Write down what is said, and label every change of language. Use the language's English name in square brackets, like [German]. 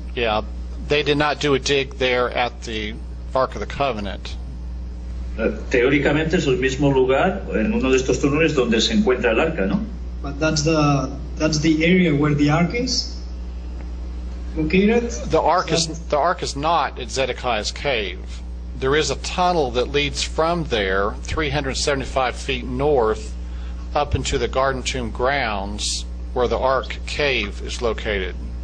[English] Yeah, they did not do a dig there at the Ark of the Covenant. [Spanish] Teóricamente es el mismo lugar en uno de estos túneles donde se encuentra el arca, ¿no? [English] But that's the area where the ark is located. The ark is not at Zedekiah's cave. There is a tunnel that leads from there 375 feet north up into the Garden Tomb grounds where the ark cave is located.